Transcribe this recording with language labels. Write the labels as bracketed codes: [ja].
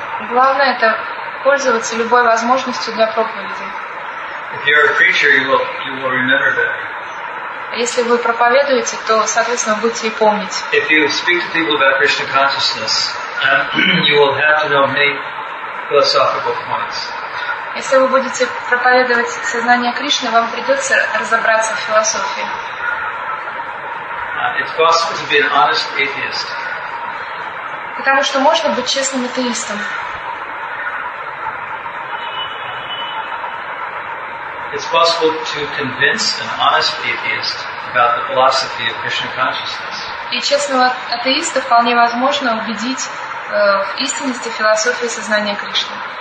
[ru] Главное это пользоваться любой возможностью для проповеди. [en] If you're a preacher, you will remember better. [ru] Если вы проповедуете, то, соответственно, будете и помнить. [en] If you speak to people about Krishna consciousness, you will have to know many philosophical points. [ru] Если вы будете проповедовать сознание Кришны, вам придется разобраться в философии. [en] It's possible to be an honest atheist. [ru] Потому что можно быть честным атеистом. [en] It's possible to convince an honest atheist about the philosophy of Krishna consciousness. [ru] И честного атеиста вполне возможно убедить в истинности философии сознания Кришны.